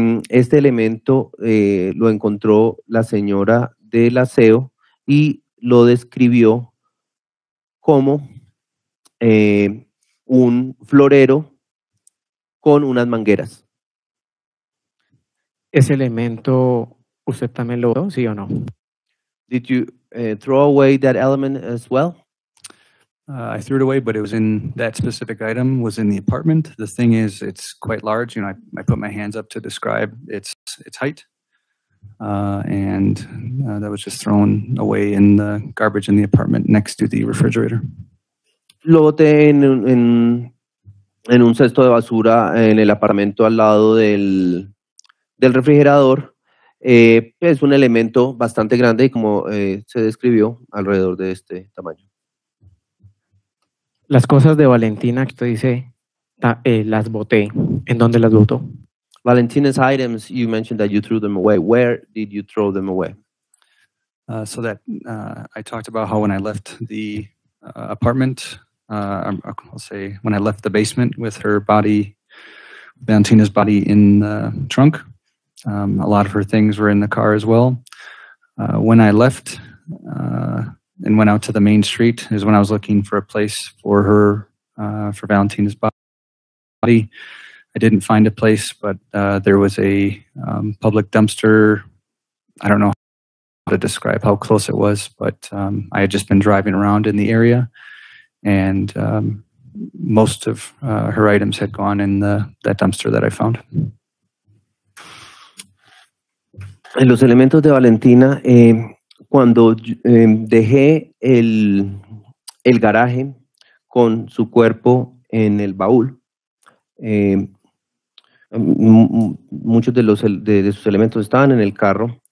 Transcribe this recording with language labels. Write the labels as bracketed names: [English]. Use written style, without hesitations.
[Spanish] Este elemento lo encontró la señora del aseo y lo describió como un florero con unas mangueras. ¿Ese elemento usted también lo usó, sí o no? [English] Did you throw away that element as well? I threw it away, but it was in that specific item, was in the apartment. The thing is, it's quite large. You know, I put my hands up to describe its height. That was just thrown away in the garbage in the apartment next to the refrigerator. [Spanish] Lo boté en un cesto de basura en el apartamento al lado del refrigerador. Es un elemento bastante grande, como se describió, alrededor de este tamaño. Las cosas de Valentina que usted dice, las boté. ¿En dónde las botó? [English] Valentina's items, you mentioned that you threw them away. Where did you throw them away? I talked about how when I left the apartment, I'll say when I left the basement with her body, Valentina's body in the trunk, a lot of her things were in the car as well. When I left and went out to the main street is when I was looking for a place for her, for Valentina's body. I didn't find a place, but there was a public dumpster. I don't know how to describe how close it was, but I had just been driving around in the area. And most of her items had gone in that dumpster that I found. [Spanish] En los elementos de Valentina, cuando dejé el garaje con su cuerpo en el baúl, muchos de sus elementos estaban en el carro.